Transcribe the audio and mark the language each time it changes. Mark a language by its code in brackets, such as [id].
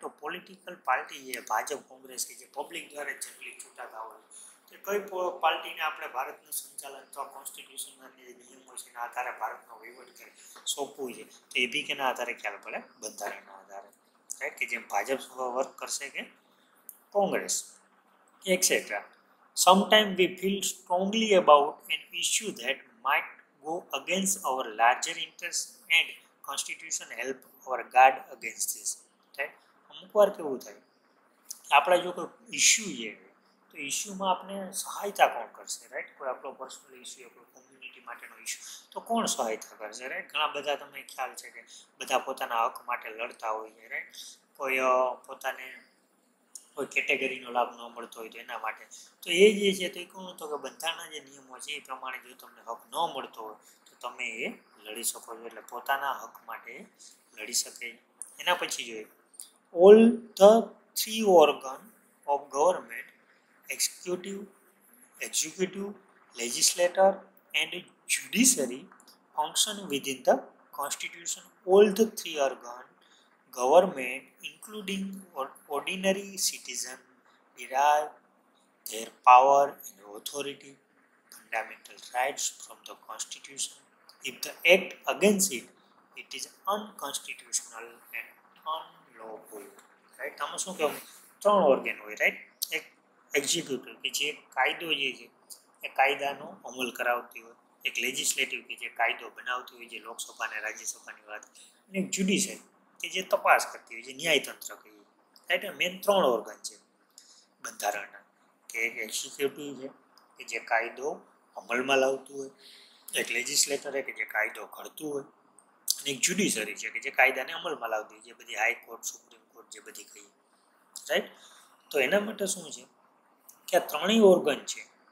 [gu] તો political party જે ભાજપ કોંગ્રેસ કે જે પબ્લિક દ્વારા જનરલી ચૂંટાતા હોય, તો કઈ પાર્ટીને આપણે ભારતનું સંચાલન અથવા કોન્સ્ટિટ્યુશનના જે નિયમો છે એના આધારે ભારતનો વહીવટ કરે સોંપવું છે, તો એ બી કેના આધારે ખ્યાલ પડે? બંધારણના આધારે, રાઈટ? કે જેમ ભાજપ વર્ક કરશે કે Congress et cetera. [en] Sometime we feel strongly about an issue that might go against our larger interests and constitution help our guard against this, right? [gu] અમુક વાર કેવું થાય કે આપણે જો કોઈ ઇશ્યુ છે તો ઇશ્યુમાં આપણે સહાયતા કોણ કરશે, રાઈટ? કોઈ આપણો પર્સનલ ઇશ્યુ, આપણો કોમ્યુનિટી માટેનો ઇશ્યુ, તો કોણ સહાયતા કરશે, રાઈટ? ઘણા બધા તમને ખ્યાલ છે કે બધા પોતાના હક માટે લડતા હોય છે, રાઈટ? કોઈ પોતાને કોઈ કેટેગરીનો લાભ ન મળતો હોય તો એના માટે, તો એ જે છે તો એ કોણ હતો કે બંધારણના જે નિયમો છે એ પ્રમાણે જો તમને હક ન મળતો હોય તો તમે એ લડી શકો છો, એટલે પોતાના હક માટે લડી શકે. એના પછી જોઈએ, [en] All the three organ of government, executive, executive legislator and judiciary function within the constitution. All the three organ government including ordinary citizen derive their power and authority fundamental rights from the constitution. If the act against it, it is unconstitutional and unlawful, right? [gu] તમે શું કહો? ત્રણ organ હોય, right? એક executive કે જે કાયદો જે છે એ કાયદાનો અમલ કરાવતી હોય, એક લેજિસ્લેટિવ કે જે કાયદો બનાવતી હોય જે લોકસભા અને રાજ્યસભાની વાત, અને એક જ્યુડિશિયરી કે જે તપાસ કરતી હોય જે ન્યાયતંત્ર કહીએ, રાઈટ? મેઇન ત્રણ ઓર્ગન છે બંધારણના, કે એક એક્ઝિક્યુટિવ છે કે જે કાયદો અમલમાં લાવતું હોય, એક લેજિસ્લેટર છે કે જે કાયદો ઘડતું હોય, અને એક જ્યુડિશરી છે કે જે કાયદાને અમલમાં લાવતી હોય, જે બધી હાઈકોર્ટ, સુપ્રીમ કોર્ટ જે બધી કહીએ, રાઈટ? તો એના માટે શું છે કે આ ત્રણેય ઓર્ગન છે